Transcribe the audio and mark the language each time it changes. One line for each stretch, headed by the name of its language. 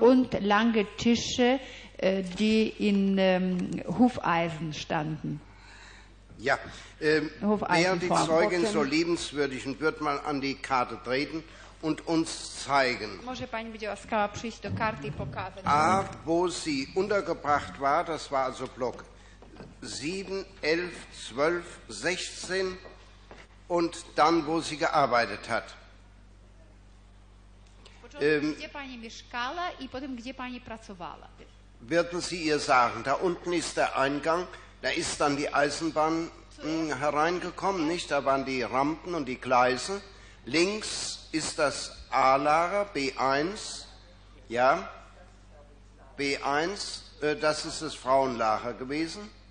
German: Und lange Tische, die in Hufeisen standen. Ja, wer die Zeugen so liebenswürdig und wird mal an die Karte treten und uns zeigen.
Polish: Może pani będzie łaskała przyjść do karty i pokazać.
German: A, wo sie untergebracht war, das war also Block 7, 11, 12, 16 und dann, wo sie gearbeitet hat.
Polish: Gdzie pani mieszkała i potem, gdzie pani pracowała?
German: Würden Sie ihr sagen, da unten ist der Eingang. Da ist dann die Eisenbahn hereingekommen, nicht? Da waren die Rampen und die Gleise. Links ist das A-Lager, B1, ja, B1, das ist das Frauenlager gewesen.